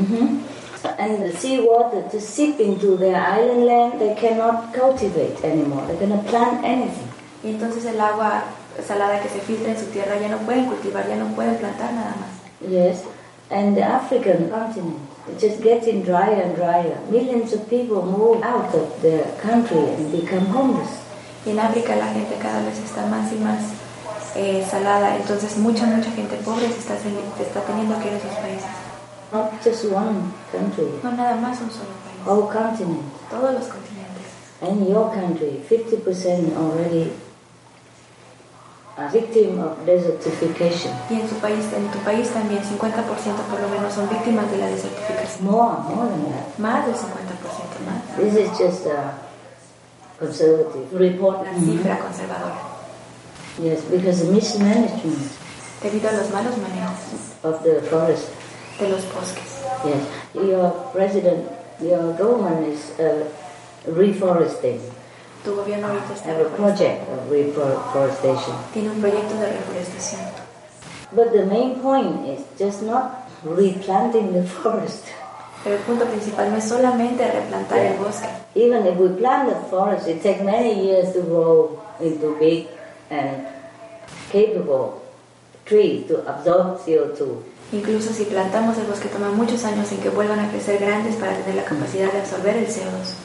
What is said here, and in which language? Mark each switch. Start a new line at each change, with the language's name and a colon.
English: And the seawater to seep into their island land, they cannot cultivate anymore. They cannot plant anything.
Spanish: Y entonces el agua salada que se filtra en su tierra ya no pueden cultivar, ya no pueden plantar nada más.
English: Yes, and the African continent. It's just getting drier and drier. Millions of people move out of their country and become homeless.
Spanish: En África la gente cada vez está más y más salada. Entonces mucha gente pobre se está teniendo que ir a sus países.
English: Not just one country.
Spanish: No nada más un solo país.
English: All continents.
Spanish: Todos los continentes.
English: And your country, 50% already a victim of desertification.
Spanish: Y en tu país también 50% por lo menos son víctimas de la desertificación.
English: More than that.
Spanish: Más del 50% más.
English: This is just a conservative report.
Spanish: La cifra conservadora.
English: Yes, because of mismanagement.
Spanish: Debido a los malos manejos.
English: Of the forest.
Spanish: De los bosques.
English: Yes, your president, your government is reforesting.
Spanish: Tu gobierno ahorita está
English: have a project of reforestation.
Spanish: Tiene un proyecto de reforestación.
English: But the main point is just not replanting the forest.
Spanish: Pero el punto principal no es solamente replantar el bosque.
English: Even if we plant the forest, it takes many years to grow into big and capable trees to absorb CO2.
Spanish: Incluso si plantamos el bosque, toma muchos años en que vuelvan a crecer grandes para tener la capacidad de absorber el CO2.